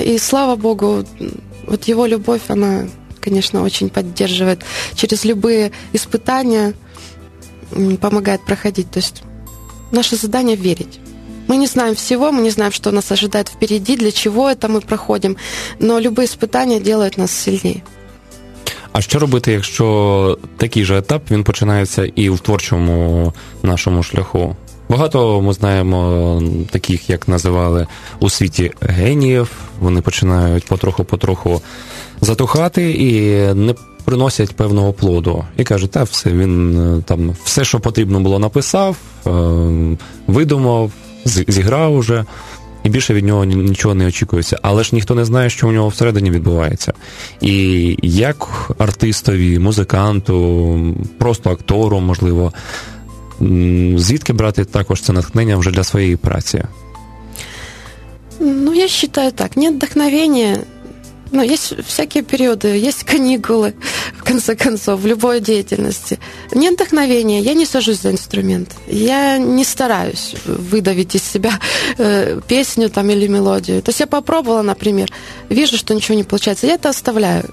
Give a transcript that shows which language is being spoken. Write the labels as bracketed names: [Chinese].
[Russian] И слава Богу, вот Его любовь, она, конечно, очень поддерживает через любые испытания, помогает проходить. То есть наше задание – верить. Мы не знаем всего, мы не знаем, что нас ожидает впереди, для чего это мы проходим, но любые испытания делают нас сильнее. [Ukrainian] А що робити, якщо такий же етап, він починається і в творчому нашому шляху? Багато ми знаємо таких, як називали у світі геніїв, вони починають потроху-потроху затухати і не приносять певного плоду. І кажуть, та все, він там все, що потрібно було, написав, видумав, зіграв уже, і більше від нього нічого не очікується. Але ж ніхто не знає, що у нього всередині відбувається. І як артистові, музиканту, просто актору, можливо, звідки брати також це натхнення вже для своєї праці? Ну, я вважаю так. Ні, натхнення [Russian] Ну, есть всякие периоды, есть каникулы, в конце концов, в любой деятельности. Нет вдохновения, я не сажусь за инструмент. Я не стараюсь выдавить из себя песню там, или мелодию. То есть я попробовала, например, вижу, что ничего не получается. Я это оставляю.